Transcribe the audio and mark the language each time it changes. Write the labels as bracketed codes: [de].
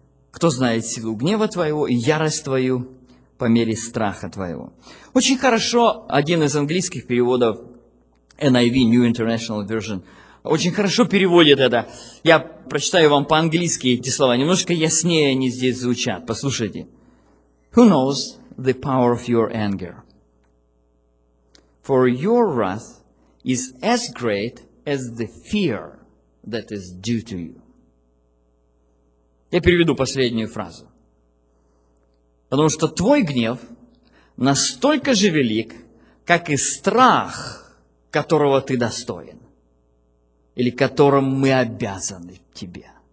[ru] Кто знает силу гнева твоего и ярость твою по мере страха твоего? Очень хорошо один из английских переводов, NIV, New International Version, очень хорошо переводит это. Я прочитаю вам по-английски эти слова. Немножко яснее они здесь звучат. Послушайте. [en] Who knows the power of your anger? For your wrath is as great as the fear that is due to you. [ru] Я переведу последнюю фразу. Потому что твой гнев настолько же велик, как и страх, которого ты достоин, или которым мы обязаны тебе.